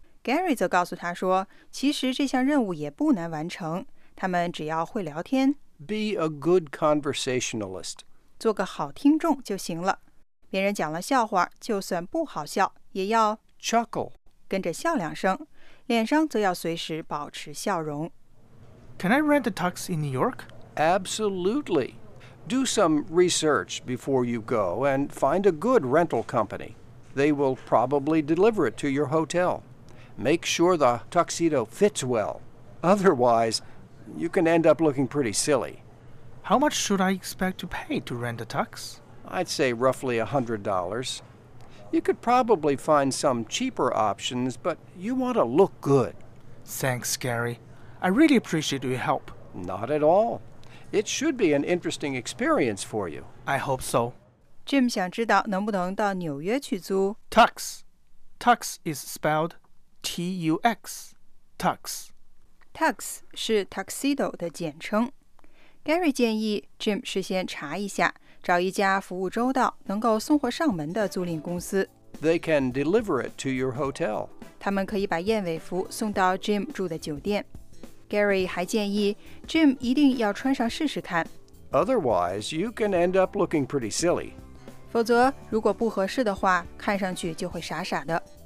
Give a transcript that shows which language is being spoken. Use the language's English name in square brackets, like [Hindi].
[Chinese] Gary 则告诉他说，其实这项任务也不难完成，他们只要会聊天。 [English] Be a good conversationalist. [Chinese] 做个好听众就行了。别人讲了笑话，就算不好笑，也要 [English] chuckle， [Chinese] 跟着笑两声。脸上则要随时保持笑容。 [English] Can I rent a tux in New York? Absolutely. Do some research before you go and find a good rental company. They will probably deliver it to your hotel. Make sure the tuxedo fits well. Otherwise, you can end up looking pretty silly. How much should I expect to pay to rent a tux? I'd say roughly $100. You could probably find some cheaper options, but you want to look good. Thanks, Gary. I really appreciate your help. Not at all. It should be an interesting experience for you. I hope so. [Chinese] Jim 想知道能不能到纽约去租 [English] Tux. Tux is spelled T-U-X. Tux. [Chinese] Tux 是 tuxedo 的简称。Gary 建议 Jim 事先查一下，找一家服务周到、能够送货上门的租赁公司。 [English] They can deliver it to your hotel. [Chinese] 他们可以把燕尾服送到 Jim 住的酒店。 Gary 还建议 Jim 一定要穿上试试看。 [English] Otherwise, you can end up looking pretty silly. [Chinese] 否则，如果不合适的话，看上去就会傻傻的。